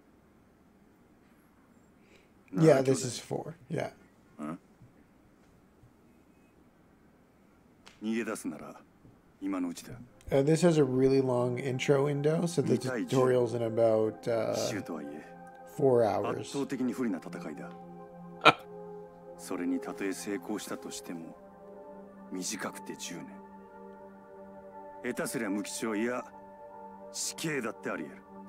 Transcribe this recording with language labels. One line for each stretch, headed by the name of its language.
Japanese: 12弱ってとこやろな。そやったら1人頭に3、4発使えるっちゅうことやな。十分な数や。
English: Yeah, this is 4. Yeah.
Japanese: 逃げ出すなら今のうちだ。
English: This has a really long intro window, so the tutorial is in about 4 hours.
Japanese: 圧倒的に不利な戦いだ。それにたとえ成功したとしても短くて10年。下手すりゃ無期懲や死刑だってあり得る。